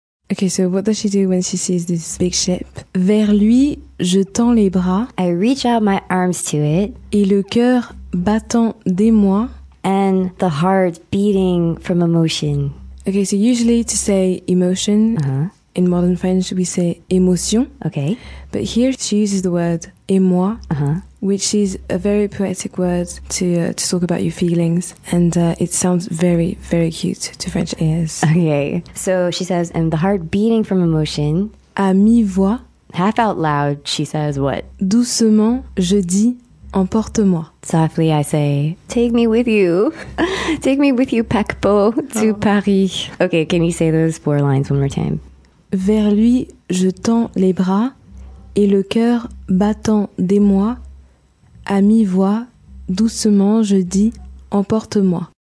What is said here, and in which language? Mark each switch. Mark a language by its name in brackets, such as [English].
[English] Okay, so what does she do when she sees this big ship? [French] Vers lui, je tends les bras. [English] I reach out my arms to it. [French] Et le cœur battant d'émoi. [English] And the heart beating from emotion. Okay, so usually to say emotion, in modern French we say émotion. Okay. But here she uses the word émoi, which is a very poetic word to talk about your feelings. And it sounds very, very cute to French ears. Okay. So she says, and the heart beating from emotion. [French] À mi-voix. [English] Half out loud, she says what? [French] Doucement, je dis, emporte-moi. [English] Softly, I say, take me with you. Take me with you, paquebot, to Paris. Okay, can you say those four lines one more time? [French] Vers lui, je tends les bras et le cœur battant d'émoi. À mi-voix, doucement, je dis, emporte-moi.